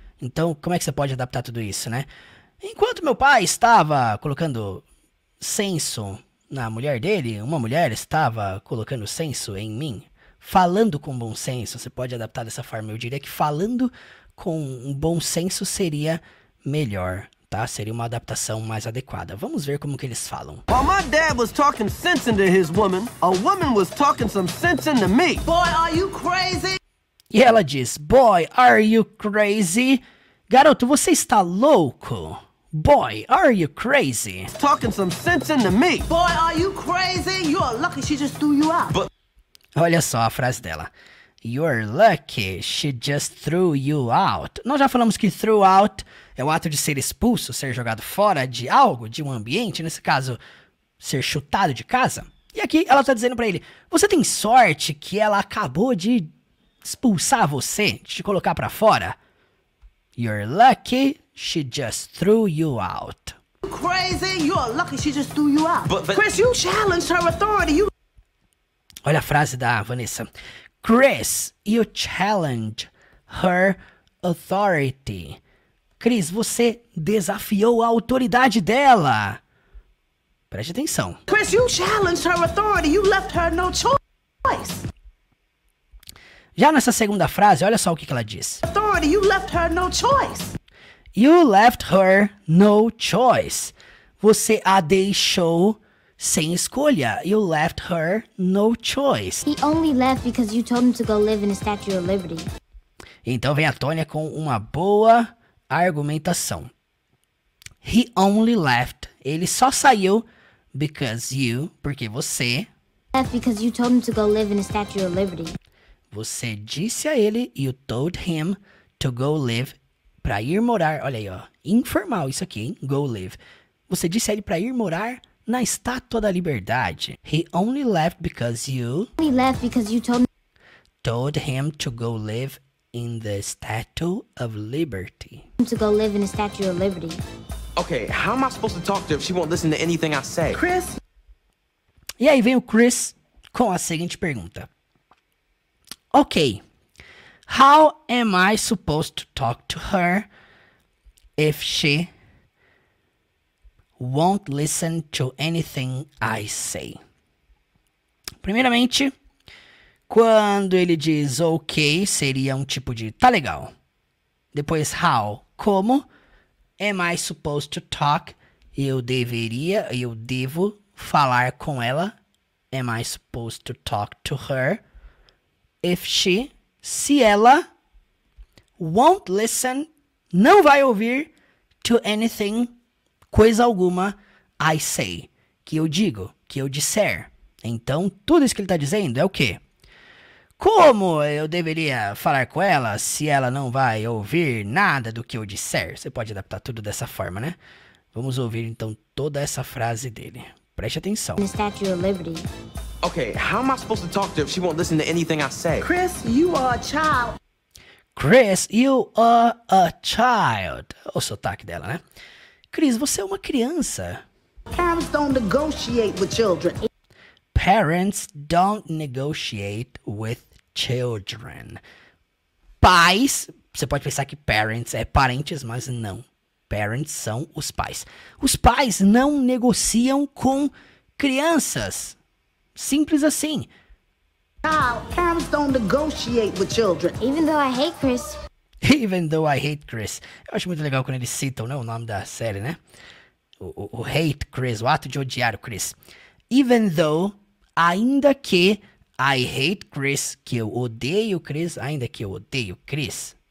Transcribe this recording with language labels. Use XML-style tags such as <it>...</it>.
<pt>Então, como é que você pode adaptar tudo isso, né? Enquanto meu pai estava colocando senso na mulher dele, uma mulher estava colocando senso em mim, falando com bom senso, você pode adaptar dessa forma, eu diria que falando com um bom senso seria melhor, tá? Seria uma adaptação mais adequada. Vamos ver como que eles falam.</pt> <en>While my dad was talking sense into his woman, a woman was talking some sense into me. Boy, are you crazy?</en> <pt>E ela diz,</pt> <en>boy, are you crazy?</en> <pt>Garoto, você está louco?</pt> <en>Boy, are you crazy? Talking some sense into me. Boy, are you crazy? You are lucky she just threw you out. But</en> <pt>olha só a frase dela.</pt> <en>You're lucky she just threw you out.</en> <pt>Nós já falamos que throw out é o ato de ser expulso, ser jogado fora de algo, de um ambiente. Nesse caso, ser chutado de casa. E aqui ela tá dizendo pra ele, você tem sorte que ela acabou de expulsar você, de te colocar pra fora?</pt> <en>You're lucky she just threw you out.</en> <pt>Crazy,</pt> <en>you're lucky she just threw you out. But... Chris, you challenged her authority, you...</en> <pt>Olha a frase da Vanessa.</pt> <en>Chris, you challenged her authority.</en> <pt>Chris, você desafiou a autoridade dela. Preste atenção.</pt> <en>Chris, you challenged her authority. You left her no choice.</en> <pt>Já nessa segunda frase, olha só o que ela diz.</pt> <en>Authority, you left her no choice. You left her no choice.</en> <pt>Você a deixou sem escolha.</pt> <en>You left her no choice. He only left because you told him to go live in a Statue of Liberty.</en> <pt>Então vem a Tônia com uma boa argumentação.</pt> <en>He only left.</en> <pt>Ele só saiu</pt> <en>because you,</en> <pt>porque você.</pt> <en>Left because you told him to go live in a Statue of Liberty.</en> <pt>Você disse a ele,</pt> <en>you told him to go live,</en> <pt>pra ir morar. Olha aí, ó. Informal isso aqui, hein? Go live. Você disse a ele pra ir morar na Estátua da Liberdade.</pt> <en>He only left because you. Only left because you told me. Told him to go live. In the Statue of Liberty. To go live in a Statue of Liberty. Okay, how am I supposed to talk to her if she won't listen to anything I say? Chris?</en> <pt>E aí vem o Chris com a seguinte pergunta.</pt> <en>Okay, how am I supposed to talk to her if she won't listen to anything I say?</en> <pt>Primeiramente, quando ele diz ok, seria um tipo de tá legal. Depois, how, como, am I supposed to talk, eu devo falar com ela,</pt> <en>am I supposed to talk to her,</en> <pt>if she, se ela,</pt> <en>won't listen,</en> <pt>não vai ouvir,</pt> <en>to anything,</en> <pt>coisa alguma,</pt> <en>I say,</en> <pt>que eu digo, que eu disser. Então, tudo isso que ele tá dizendo é o quê? Como eu deveria falar com ela se ela não vai ouvir nada do que eu disser? Você pode adaptar tudo dessa forma, né? Vamos ouvir então toda essa frase dele. Preste atenção.</pt> <en>The Statue of Liberty. Okay, how am I supposed to talk to her if she won't listen to anything I say? Chris, you are a child. Chris, you are a child.</en> <pt>O sotaque dela, né? Chris, você é uma criança.</pt> <en>Parents don't negotiate with children. Parents don't negotiate with children.</en> <pt>Pais, você pode pensar que parents é parentes, mas não. Parents são os pais. Os pais não negociam com crianças. Simples assim.</pt> <en>Parents don't negotiate with children. Even though I hate Chris. Even though I hate Chris.</en> <pt>Eu acho muito legal quando eles citam, né, o nome da série, né? O hate Chris, o ato de odiar o Chris.</pt> <en>Even though...</en> <pt>Ainda que</pt> <en>I hate Chris,</en> <pt>que eu odeio Chris, ainda que eu odeio Chris.</pt>